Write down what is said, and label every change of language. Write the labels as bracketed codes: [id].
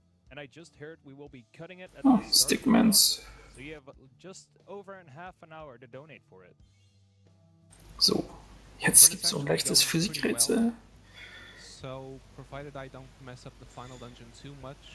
[en] And I just heard we will be cutting it at Stickmans. So you have just over and half an hour to donate for it. [de] So, jetzt gibt's so ein leichtes Physikrätsel. [en] So provided I don't mess up the final dungeon too much.